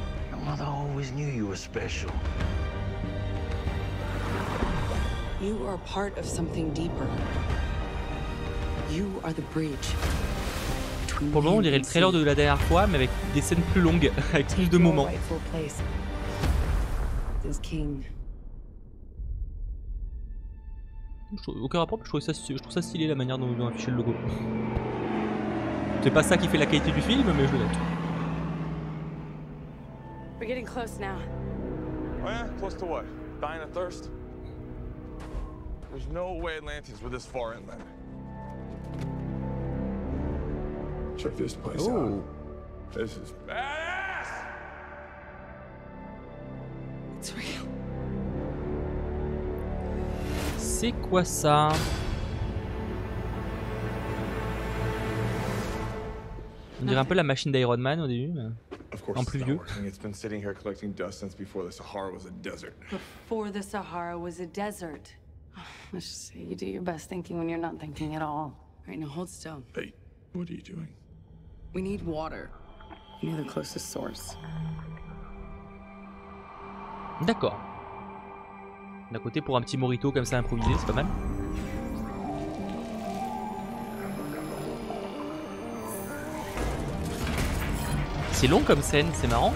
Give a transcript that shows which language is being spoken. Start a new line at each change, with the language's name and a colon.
English: Your mother always knew you were special. You are part of something deeper. You are the bridge.
French: Pour le moment, on dirait le trailer de la dernière fois, mais avec des scènes plus longues, avec plus de moments.
English: This king.
French: Aucun rapport, mais je trouve ça stylé la manière dont ils ont affiché le logo. C'est pas ça qui fait la qualité du film, mais je le note.
English: We're getting close now. Oh yeah, close to what? Dying of thirst? There's no way Atlantis were this far inland. Check this place out. This is badass. It's real.
French: C'est quoi ça? On dirait un peu la machine d'Iron Man au début, mais en plus vieux.
English: It's been sitting here collecting dust since before the Sahara was a desert. Before the Sahara was a desert. Let's just say you do your best thinking when you're not thinking at all. Right, now hold still. Hey, what are you doing? We need water. You know the closest source.
French: D'accord. D'un côté, pour un petit mojito comme ça improvisé, c'est pas mal. C'est long comme scène, c'est marrant.